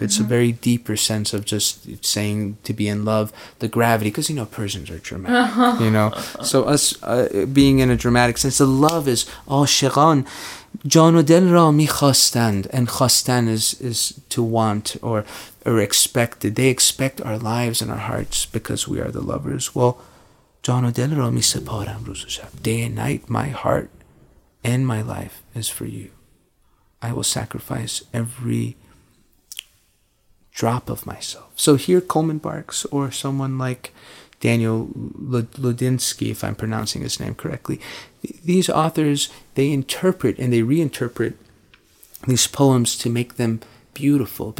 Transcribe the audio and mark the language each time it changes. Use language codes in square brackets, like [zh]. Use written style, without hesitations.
[en] It's mm-hmm. a very deeper sense of just saying to be in love, the gravity, because, you know, Persians are dramatic, you know. So us being in a dramatic sense, the love is عاشقان. [fa] جان و دل را میخواستند, [en] and خواستن is to want or expected. They expect our lives and our hearts because we are the lovers. [fa] Well, جان و دل را می سپارم روز و شب. [en] Day and night, my heart and my life is for you. I will sacrifice every drop of myself. So here Coleman Barks or someone like Daniel Ludinsky, if I'm pronouncing his name correctly, these authors, they interpret and they reinterpret these poems to make them beautiful.